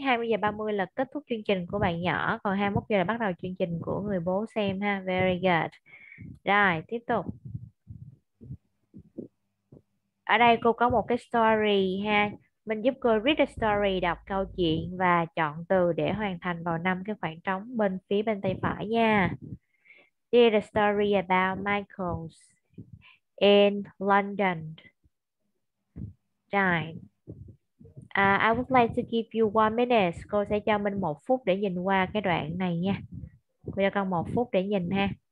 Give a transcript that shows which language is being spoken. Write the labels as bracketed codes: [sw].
[vi] 20:30 là kết thúc chương trình của bạn nhỏ, còn 21 giờ là bắt đầu chương trình của người bố xem ha. [en] Very good. [vi] Rồi, tiếp tục. Ở đây cô có một cái story ha. Mình giúp cô [en] read the story, [vi] đọc câu chuyện và chọn từ để hoàn thành vào 5 cái khoảng trống bên phía bên tay phải nha. [en] Read the story about Michael in London. [vi] Rồi. [en] I would like to give you 1 minute. [vi] Cô sẽ cho mình 1 phút để nhìn qua cái đoạn này nha. Cô cho con 1 phút để nhìn ha.